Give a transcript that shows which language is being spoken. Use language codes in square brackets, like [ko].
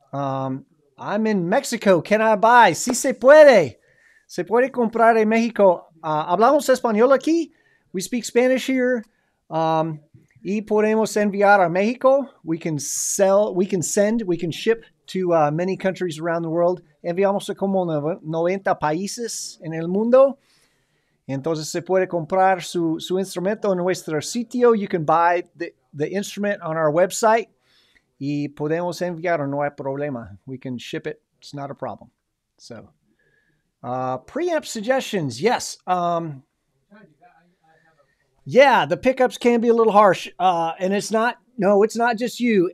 [en] I'm in Mexico. Can I buy? [es] Si se puede. Se puede comprar en México. Hablamos español aquí. [en] We speak Spanish here. [es] Y podemos enviar a México. [en] We can ship to many countries around the world. [es] Enviamos a como 90 países en el mundo. Entonces se puede comprar su instrumento en nuestro sitio. [en] You can buy the instrument on our website. [es] Y podemos enviar, no hay problema. [en] We can ship it. It's not a problem. So, preamp suggestions. Yes. Yeah, the pickups can be a little harsh. And it's not just you.